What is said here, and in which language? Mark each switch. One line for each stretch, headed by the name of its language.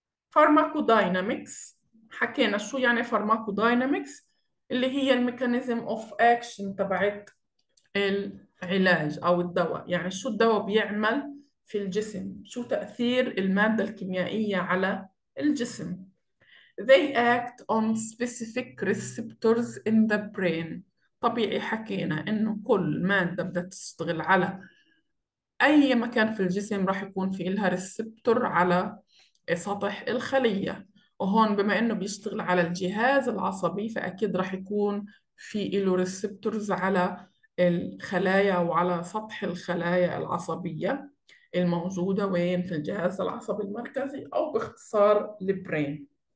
Arabic: فارماكو داينامكس، حكينا شو يعني فارماكو داينامكس، اللي هي الميكانيزم اوف اكشن تبعت العلاج أو الدواء، يعني شو الدواء بيعمل في الجسم، شو تأثير المادة الكيميائية على الجسم.
English: They act on specific receptors in the brain،
Arabic: طبيعي حكينا إنه كل مادة بدها تشتغل على أي مكان في الجسم راح يكون في لها ريسبتور على سطح الخلية، وهون بما إنه بيشتغل على الجهاز العصبي فأكيد راح يكون في له ريسبتورز على الخلايا وعلى سطح الخلايا العصبية الموجودة وين في الجهاز العصبي المركزي أو باختصار البرين.